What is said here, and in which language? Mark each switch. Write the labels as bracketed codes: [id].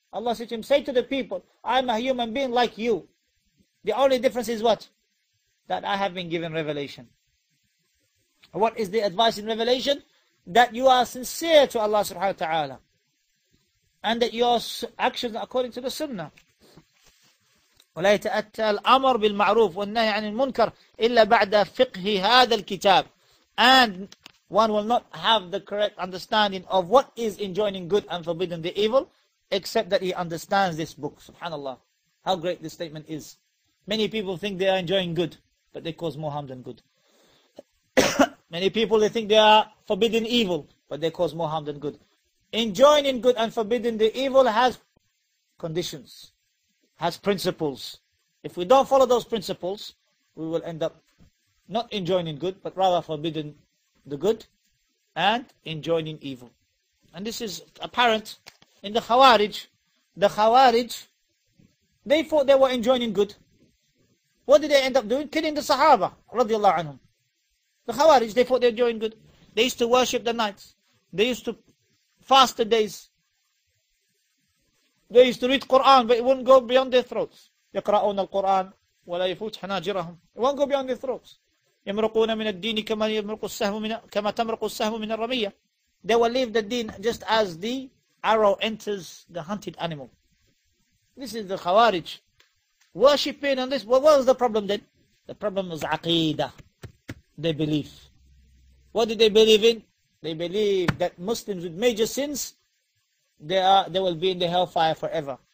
[en] Allah said to him, say to the people, I'm a human being like you. The only difference is what? That I have been given revelation. What is the advice in revelation? That you are sincere to Allah subhanahu wa ta'ala. And that your actions are according to the sunnah. [ar] ولا يتأتى الأمر بالمعروف والنهي عن المنكر إلا بعد فقه هذا الكتاب. [en] And one will not have the correct understanding of what is enjoining good and forbidden the evil, except that he understands this book. Subhanallah. How great this statement is. Many people think they are enjoying good, but they cause more harm than good. Many people, they think they are forbidding evil, but they cause more harm than good. Enjoining good and forbidding the evil has conditions. Has principles. If we don't follow those principles, we will end up not enjoining good, but rather forbidding the good and enjoining evil. And this is apparent in the Khawarij. The Khawarij, they thought they were enjoining good. What did they end up doing? Killing the Sahaba, radiallahu anhum. The Khawarij, they thought they were enjoying good. They used to worship the nights. They used to fast the days. They used to read Quran, but it wouldn't go beyond their throats. [ar] يقرؤون القرآن ولا يفوت حناجرهم. [en] It won't go beyond their throats. [ar] يمرقون من الدين كما يمرق السهم من كما تمرق السهم من الرمية. [en] They will leave the deen just as the arrow enters the hunted animal. This is the Khawarij. Worshipping on this. Well, what was the problem then? The problem was aqidah. They believe. What did they believe in? They believe that Muslims with major sins, they will be in the hellfire forever.